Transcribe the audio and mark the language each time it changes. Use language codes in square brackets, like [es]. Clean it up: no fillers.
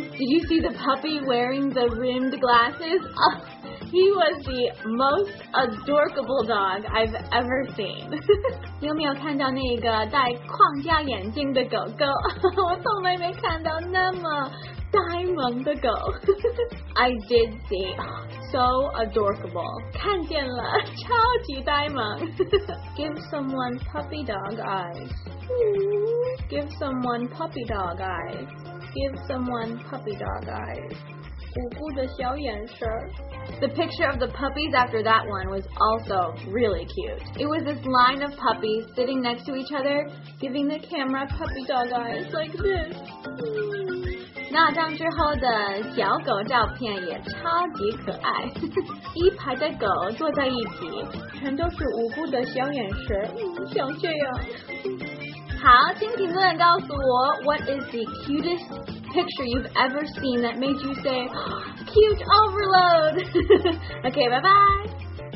[en] Did you see the puppy wearing the rimmed glasses? He was the most adorkable dog I've ever seen. [zh] 有没有看到那个戴框架眼镜的狗狗？我从来没看到那么呆萌的狗。 [en] I did see. So adorkable. [zh] 看见了，超级呆萌。 [en] Give someone puppy dog eyes. Give someone puppy dog eyes. Give someone puppy dog eyes. [zh] 咕咕的小眼神。 [en] The picture of the puppies after that one was also really cute. It was this line of puppies sitting next to each other, giving the camera puppy dog eyes like this. [zh] 那张之后的小狗照片也超级可爱。一排的狗坐在一起，全都是无辜的小眼神，像这样。好，请评论告诉我 [en] ，What is the cutest picture you've ever seen that made you say, cute overload? Okay, bye-bye.